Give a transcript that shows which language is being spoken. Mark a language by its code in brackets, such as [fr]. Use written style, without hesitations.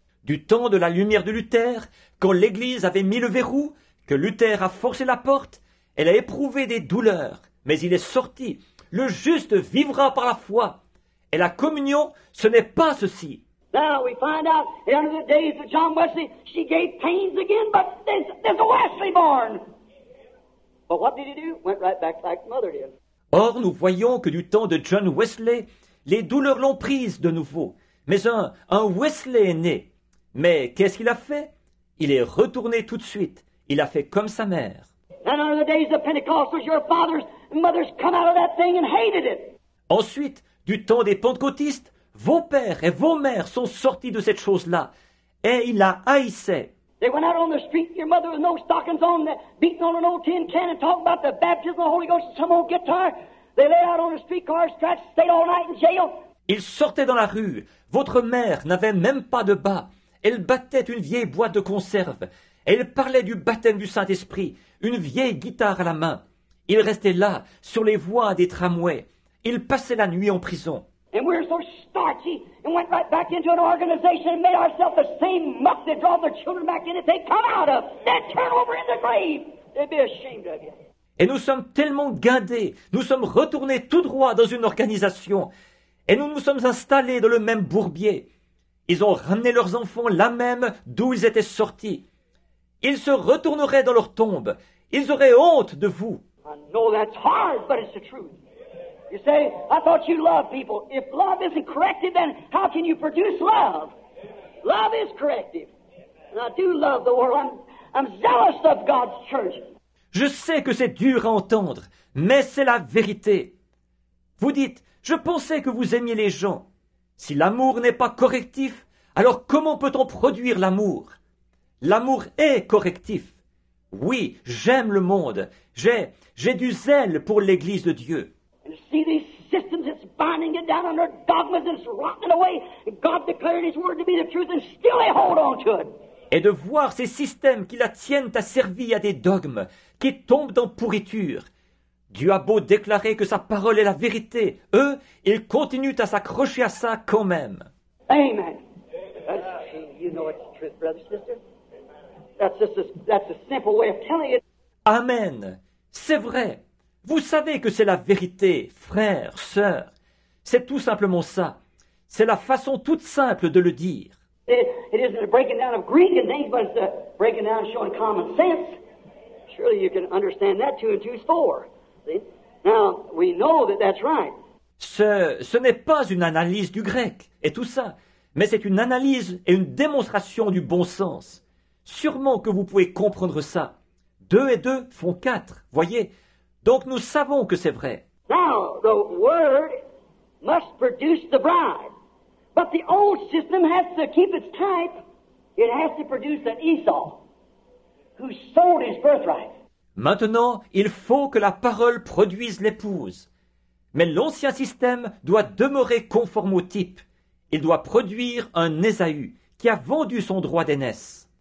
[fr] Du temps de la lumière de Luther, quand l'Église avait mis le verrou, que Luther a forcé la porte, elle a éprouvé des douleurs, mais il est sorti. Le juste vivra par la foi. Et la communion, ce n'est pas ceci. [en] Now we find out in the days of John Wesley, she gave pains again, but there's a Wesley born. But what did he do? Went right back like mother did. [fr] Or, nous voyons que du temps de John Wesley, les douleurs l'ont prise de nouveau. Mais un Wesley est né. Mais qu'est-ce qu'il a fait? Il est retourné tout de suite. Il a fait comme sa mère. [en] And under the days of Pentecost, your fathers and mothers come out of that thing and hated it. [fr] Ensuite, du temps des pentecôtistes, vos pères et vos mères sont sortis de cette chose-là. Et ils la haïssaient. [en] They went out on the street, your mother with no stockings on, beating on an old tin can and talking about the baptism of the Holy Ghost and some old guitar. They lay out on the streetcar, scratched, stayed all night in jail. [fr] Ils sortaient dans la rue. Votre mère n'avait même pas de bas. Elle battait une vieille boîte de conserve. Elle parlait du baptême du Saint-Esprit, une vieille guitare à la main. Ils restaient là, sur les voies des tramways. Ils passaient la nuit en prison. [en] And we're so starchy and went right back into an organization and made ourselves the same muck that draw their children back in it. They come out of that, turn over in the grave. They'd be ashamed of you. [fr] Et nous sommes tellement guindés, nous sommes retournés tout droit dans une organisation et nous nous sommes installés dans le même bourbier. Ils ont ramené leurs enfants là même d'où ils étaient sortis. Ils se retourneraient dans leur tombe. Ils auraient honte de vous. [en] I know that's hard, but it's the truth. You say, I thought you loved people. If love isn't corrective, then how can you produce love? Love is corrective. And I do love the world. I'm zealous of God's church. [fr] Je sais que c'est dur à entendre, mais c'est la vérité. Vous dites, je pensais que vous aimiez les gens. Si l'amour n'est pas correctif, alors comment peut-on produire l'amour? L'amour est correctif. Oui, j'aime le monde. J'ai du zèle pour l'Église de Dieu. [en] See these systems that's binding it down on their dogmas and it's rotting away. God declared His word to be the truth, and still they hold on to it. [fr] Et de voir ces systèmes qui la tiennent asservie à des dogmes, qui tombent dans pourriture. Dieu a beau déclarer que sa parole est la vérité, eux, ils continuent à s'accrocher à ça quand même. [en] Amen. That's true. You know it's truth, brother, sister. That's a simple way of telling it. [fr] Amen. C'est vrai. Vous savez que c'est la vérité, frère, sœur. C'est tout simplement ça. C'est la façon toute simple de le dire. [en] It isn't a breaking down of Greek and things, but it's a breaking down showing common sense. Surely you can understand that 2 and 2 is 4. See? Now, we know that that's right. [fr] Ce n'est pas une analyse du grec et tout ça, mais c'est une analyse et une démonstration du bon sens. Sûrement que vous pouvez comprendre ça. 2 et 2 font 4, voyez. Donc nous savons que c'est vrai. [en] Now, the word must produce the bride. But the old system has to keep its type. It has to produce an Esau who sold his birthright. [fr] Maintenant, il faut que la parole produise l'épouse. Mais l'ancien système doit demeurer conforme au type. Il doit produire un Ésaü qui a vendu son droit d'aînesse.